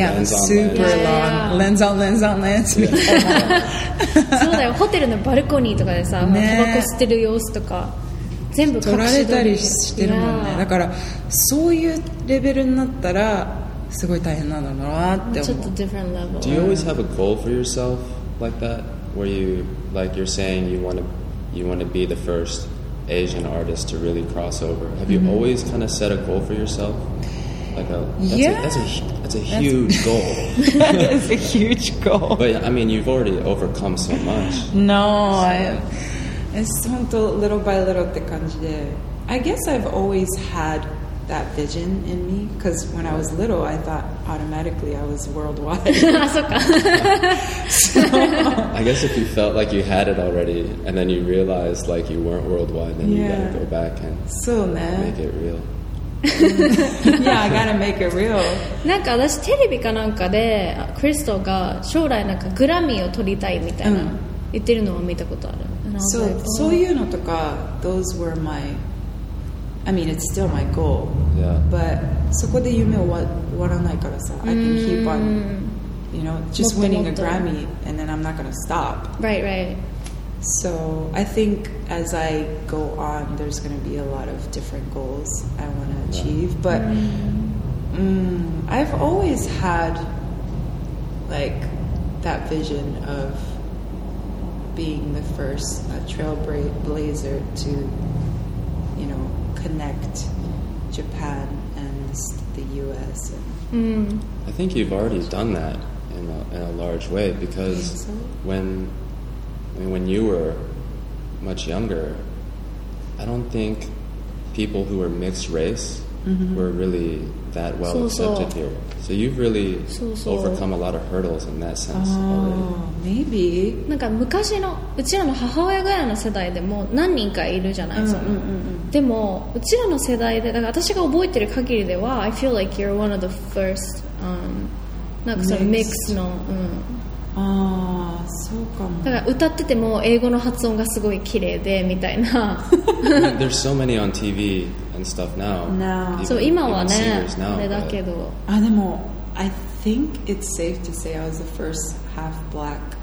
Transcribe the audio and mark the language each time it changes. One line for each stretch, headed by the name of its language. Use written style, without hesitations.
English: yeah, super long、yeah. lens on lens on lens、yeah.
Japanese: そうだよ、ホテルのバルコニーとかでさ、ね、タバコ吸ってる様子とか全部撮られたりしてるもんね。だからそういうレベルになったらすごい大変なんだろうなって思う。ちょっと
English: different level。 Do you always have a goal for yourself like that? Where you, like you're saying you want to be the first Asian artist to really cross over. Have you mm-hmm. always kind of set a goal for yourself? Like a, that's, yeah. a, that's, a, that's a huge that's, goal. That is a huge goal. But I mean, you've already overcome so much. No, so. It's 本当 little by little
Japanese: って感じで。
English: I guess I've always had that vision in me, because when I was little, I thought automatically I was worldwide.
Japanese: あ、そうか。
English: I guess if you felt like you had it already, and then you realized like you weren't worldwide, then、yeah. you gotta go back and
Japanese: そうね。
English: make it real. Yeah, I gotta make it real.
Japanese: なんか私テレビかなんかで、クリストが将来なんかグラミーを取りたいみたいな、言ってるのを見たことある。
English: So, like, oh.
Japanese: そういうのとか
English: those were my I mean it's still my goal、 yeah. but
Japanese: そこで夢は終わらないからさ、
English: mm-hmm. I can keep on you know just winning a Grammy and then I'm not gonna stop right right so I think as I go on there's gonna be a lot of different goals I wanna achieve but、mm-hmm. I've always had like that vision ofBeing the first trailblazer to, you know, connect Japan and the U.S. And I think you've already done that in a large way because when, I mean, when you were much younger, I don't think people who were mixed race mm-hmm. were really that well so accepted so. Here. So you've really so. Overcome a lot of hurdles in that sense、oh. already. Maybe.
Japanese: なんか昔のうちらの母親ぐらいの世代でも何人かいるじゃないですか、うんうんうんうん、でもうちらの世代でだから私が覚えてる限りでは
English: I feel like you're one of the first、
Japanese: なんかそのミックスの、うん、あーそうかもだから歌ってても英語の発音がすごい綺麗でみたいな
English: There's so many on TV and stuff now, now.
Japanese: そう今はねあれだけどあでも
English: I think it's safe to say I was the firstHalf black